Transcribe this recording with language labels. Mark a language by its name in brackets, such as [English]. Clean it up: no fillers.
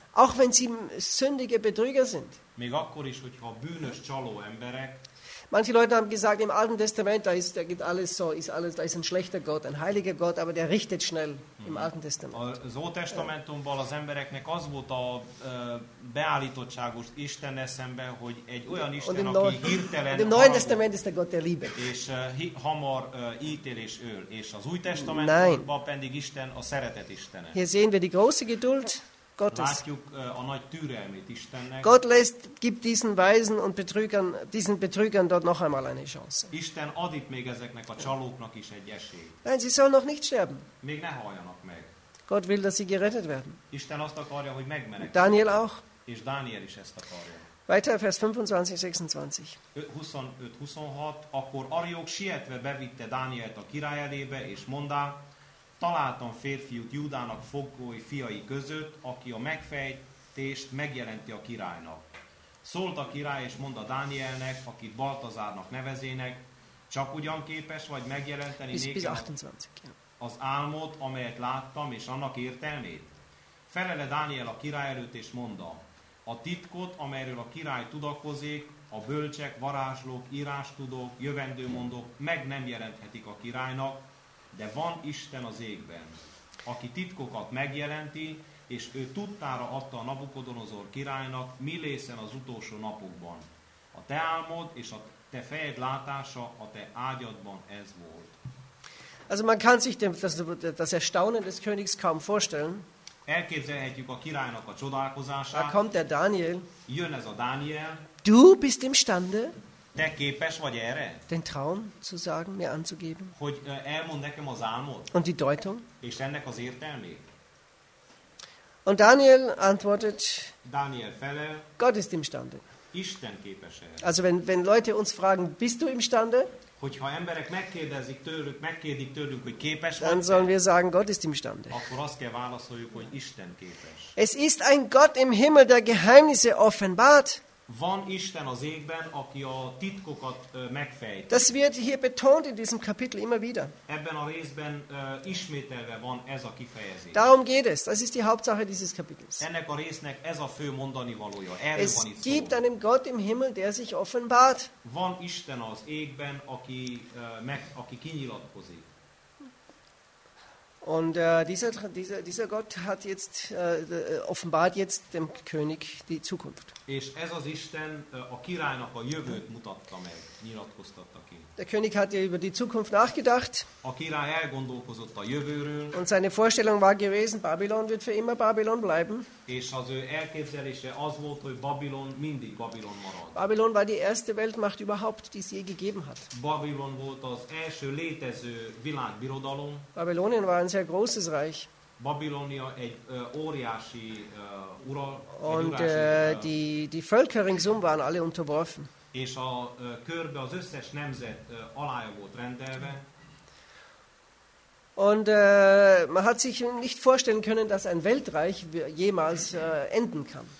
[German] Auch wenn sie sündige Betrüger sind. [Hungarian] Még akkor is, hogyha bűnös csaló emberek. [German] Manche Leute haben gesagt, im Alten Testament da geht alles so, ist alles, da ist ein schlechter Gott, ein heiliger Gott, aber der richtet schnell im Alten Testament. [Hungarian] Az Ó Testamentumban az embereknek az volt a beállítottságos Istennel szemben, hogy egy olyan Isten, aki hirtelen. [German] Im Neuen Testament ist der Gott der Liebe. [Hungarian] És hamar ítélés öl, és az Új Testamentumban pedig Isten a szeretet Istene. [German] Hier sehen wir die große Geduld. [Hungarian] Látjuk a nagy türelmét Istennek. [German] Gott lässt, gibt diesen Weisen und Betrügern dort noch einmal eine Chance. [Hungarian] Isten ad itt még ezeknek a csalóknak is egy esélyt. [German] Nein, sie sollen noch nicht sterben. [Hungarian] Még ne haljanak meg. [German] Gott will, dass sie gerettet werden. [Hungarian] Isten azt akarja, hogy megmeneküljenek. [German] Daniel auch. [Hungarian] És Dániel is ezt akarja. [German] Weiter, Vers 25-26. [Hungarian] 25-26, akkor Ariok sietve bevitte Dánielt a király elébe, és mondá, találtam férfiút Júdának fogói fiai között, aki a megfejtést megjelenti a királynak. Szólt a király, és mondta Dánielnek, akit Baltazárnak nevezének, csak ugyan képes vagy megjelenteni nékem az álmot, amelyet láttam, és annak értelmét? Felele Dániel a király előtt, és mondta, a titkot, amelyről a király tudakozik, a bölcsek, varázslók, írástudók, jövendőmondók meg nem jelenthetik a királynak, de van Isten az égben, aki titkokat megjelenti, és ő tudtára adta a Nabukodonozor királynak, mi lészen az utolsó napokban. A te álmod és a te fejed látása a te ágyadban ez volt. [German] Also man kann sich das Erstaunen des Königs kaum vorstellen. [Hungarian] Elképzelhetjük a királynak a csodálkozását. [German] Da kommt der Daniel. [Hungarian] Jön ez a Dániel. [German] Du bist imstande. [Hungarian] Te képes vagy erre? [German] Den Traum zu sagen, mir anzugeben. [Hungarian] Hogy elmond nekem az álmot. [German] Und die Deutung. [Hungarian] És ennek az értelmét. [German] Und Daniel antwortet. [Hungarian] Daniel felel. [German] Gott ist imstande. [Hungarian] Isten képes erre. [German] Also wenn Leute uns fragen, bist du imstande? [Hungarian] Hogyha emberek megkérdik tőlük, hogy képes vagy. [German] Dann sollen wir sagen, Gott ist imstande. [Hungarian] Akkor azt kell válaszoljuk, hogy Isten képes. [German] Es ist ein Gott im Himmel, der Geheimnisse offenbart. [Hungarian] Van Isten az égben, aki a titkokat megfejt. [German] Das wird hier betont in diesem Kapitel immer wieder. [Hungarian] Ebben a részben ismételve van ez a kifejezés. [German] Darum geht es. Das ist die Hauptsache dieses Kapitels. [Hungarian] Ennek a résznek ez a fő mondani valója. Erről [German] es [Hungarian] van itt szó. [German] Es gibt einen Gott im Himmel, der sich offenbart. [Hungarian] Van Isten az égben, aki kinyilatkozik. [German] Und dieser Gott hat jetzt offenbart jetzt dem König die Zukunft. [Hungarian] És ez az Isten a királynak a jövőt mutatta meg, nyilatkoztatta ki. [German] Der König hat über die Zukunft nachgedacht. [Hungarian] A király elgondolkozott a jövőről. [German] Und seine Vorstellung war gewesen, Babylon wird für immer Babylon bleiben. [Hungarian] És az ő elképzelése az volt, hogy Babylon mindig Babylon marad. [German] Babylon war die erste Weltmacht überhaupt, die es je gegeben hat. [Hungarian] Babylon volt az első létező világbirodalom. [German] Babylonien war ein sehr großes Reich. [Hungarian] Babylonia egy óriási ural. [German] Und die Völker ringsum waren alle unterworfen. [Hungarian] És a körbe az összes nemzet alája volt rendelve. [German] Und man hat sich nicht vorstellen können, dass ein Weltreich jemals enden kann.